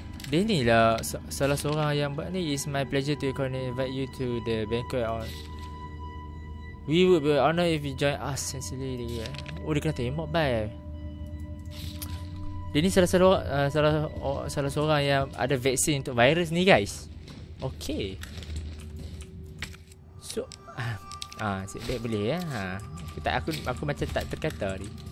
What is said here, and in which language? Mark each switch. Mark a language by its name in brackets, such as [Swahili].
[Malay] Dia ni lah salah seorang yang buat ni. [English] It's my pleasure to invite you to the banquet on. We would be honored if you join us. Sincerely. Oh, dia kena tembak bye. [Malay] Dia ni salah seorang yang ada vaksin untuk virus ni, guys. Okay. So sebab boleh ya. Aku macam tak terkata ni.